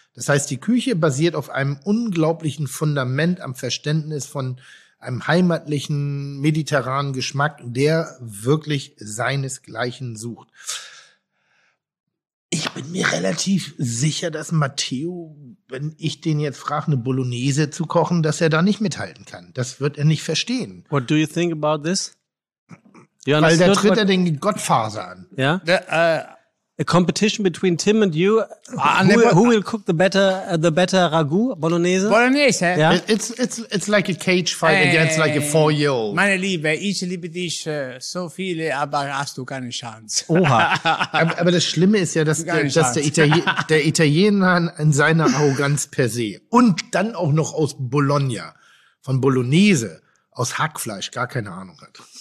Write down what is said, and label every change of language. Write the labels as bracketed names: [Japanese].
[German] Das heißt, die Küche basiert auf einem unglaublichen Fundament am Verständnis von einem heimatlichen, mediterranen Geschmack, der wirklich seinesgleichen sucht. Ich bin mir relativ sicher, dass Matteo, wenn ich den jetzt frage, eine Bolognese zu kochen, dass er da nicht mithalten kann. Das wird er nicht verstehen. [English] What do you think about this? [German] Weil da tritt er den Godfather an. Ja? [English] a competition between Tim and you. Who will cook the better ragu bolognese? Bolognese. Yeah. It's like a cage fight against like a 4-year-old. [German] Meine Liebe, ich liebe dich so viel, aber hast du keine Chance. Oha. Aber das Schlimme ist ja, dass der Italiener in seiner Arroganz per se und dann auch noch aus Bologna, von Bolognese, aus Hackfleisch gar keine Ahnung hat.